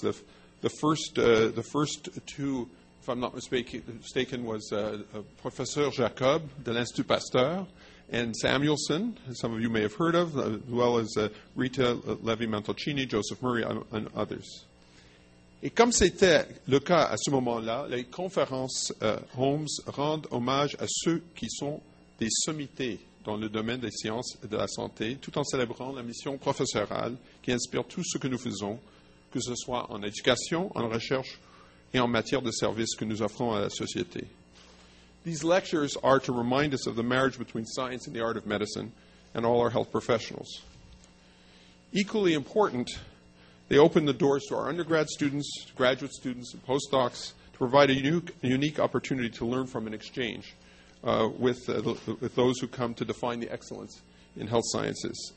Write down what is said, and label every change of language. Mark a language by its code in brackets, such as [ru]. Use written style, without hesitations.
[en] The first two, if I'm not mistaken, was Professor Jacob de l'Institut Pasteur and Samuelson, some of you may have heard of, as well as Rita Levi-Montalcini, Joseph Murray, and others. [fr] Et comme c'était le cas à ce moment-là, les conférences Holmes rendent hommage à ceux qui sont des sommités dans le domaine des sciences et de la santé, tout en célébrant la mission professorale qui inspire tout ce que nous faisons, que ce soit en éducation, en recherche et en matière de services que nous offrons à la société. [en] These lectures are to remind us of the marriage between science and the art of medicine and all our health professionals. Equally important, they open the doors to our undergrad students, graduate students, and postdocs to provide a unique opportunity to learn from an exchange with those who come to define the excellence in health sciences.